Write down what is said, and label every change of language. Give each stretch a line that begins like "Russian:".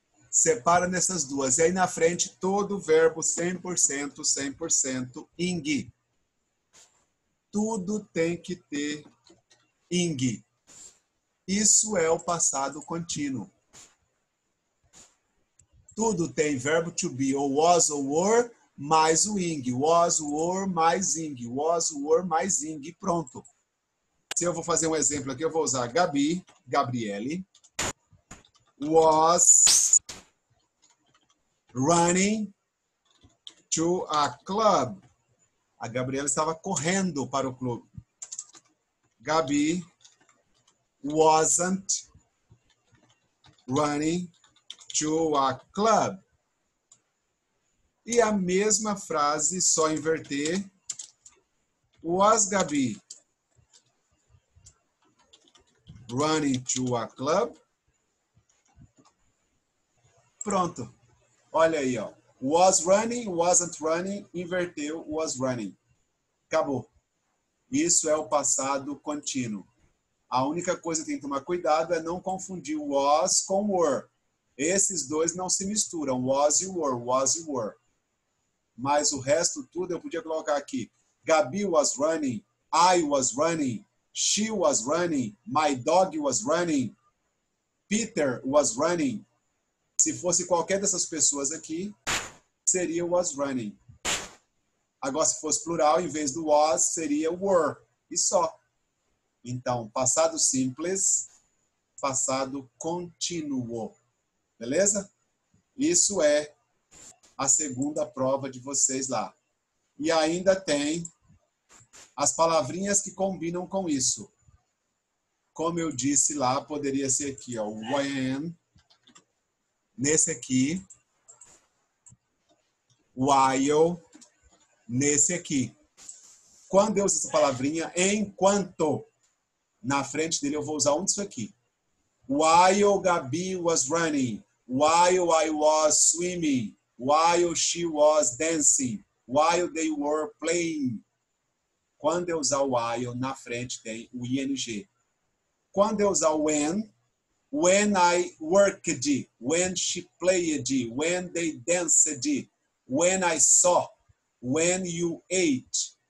Portuguese: Separa nessas duas. E aí na frente, todo verbo 100%, 100% ing. Tudo tem que ter ing. Isso é o passado contínuo. Tudo tem verbo to be, ou was ou were, mais o ing. Was, were, mais ing. Was, were, mais ing. Pronto. Se eu vou fazer um exemplo aqui, eu vou usar Gabi, Gabriele.
English: Was running to a club.
Portuguese: A Gabriela estava correndo para o clube.
English: Gabi wasn't running to a club.
Portuguese: E a mesma frase, só inverter.
English: Was Gabi running to a club?
Portuguese: Pronto. Olha aí, ó.
English: Was running, wasn't running,
Portuguese: inverteu,
English: was running.
Portuguese: Acabou. Isso é o passado contínuo. A única coisa que tem que tomar cuidado é não confundir was com were. Esses dois não se misturam. Was e were, was e were. Mas o resto tudo eu podia colocar aqui.
English: Gabi was running, I was running, she was running, my dog was running, Peter was running.
Portuguese: Se fosse qualquer dessas pessoas aqui, seria was running. Agora, se fosse plural, em vez do was, seria were. E só. Então, passado simples, passado contínuo. Beleza? Isso é a segunda prova de vocês lá. E ainda tem as palavrinhas que combinam com isso. Como eu disse lá, poderia ser aqui, ó, when. Nesse aqui, while, nesse aqui. Quando eu uso essa palavrinha, enquanto, na frente dele eu vou usar um disso aqui.
English: While Gabi was running, while I was swimming, while she was dancing, while they were playing.
Portuguese: Quando eu usar o while, na frente tem o ing. Quando eu usar o when,
English: when I worked, when she played, when they danced, when I saw, when you ate.